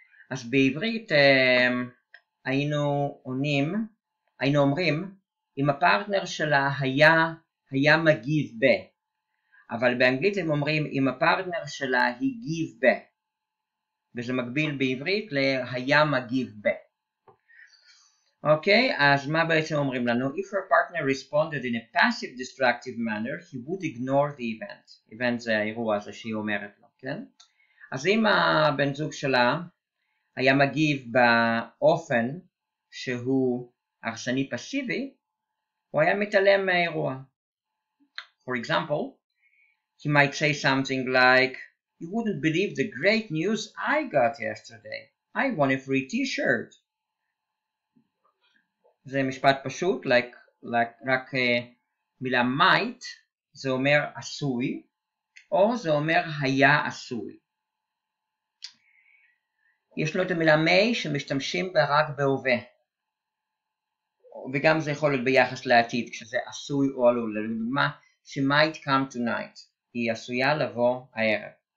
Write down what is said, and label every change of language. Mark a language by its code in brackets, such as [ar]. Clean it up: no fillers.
[he] אז בעברית היינו עונים, היינו אומרים, אם הפרטנר שלה היה מגיב ב, אבל באנגלית הם אומרים, אם הפרטנר שלה הגיב ב, וזה מקביל בעברית ל-היה מגיב ב. אוקיי, אז מה בעצם אומרים לנו? [en] If her partner responded in a passive destructive manner, he would ignore the event. [he] Event זה האירוע הזה שהיא אומרת לו, כן? אז אם הבן זוג שלה היה מגיב באופן שהוא הרסני פסיבי, הוא היה מתעלם מהאירוע. [en] For example, he might say something like, you wouldn't believe the great news I got yesterday. I won a free t-shirt. [he] זה משפט פשוט, רק מילה might, זה אומר עשוי, או זה אומר היה עשוי. יש לו את המילה may שמשתמשים בה רק בהווה. וגם זה יכול להיות ביחס לעתיד, כשזה עשוי או עלול, לדוגמה, [en] she might come tonight, [he] היא עשויה לבוא הערב.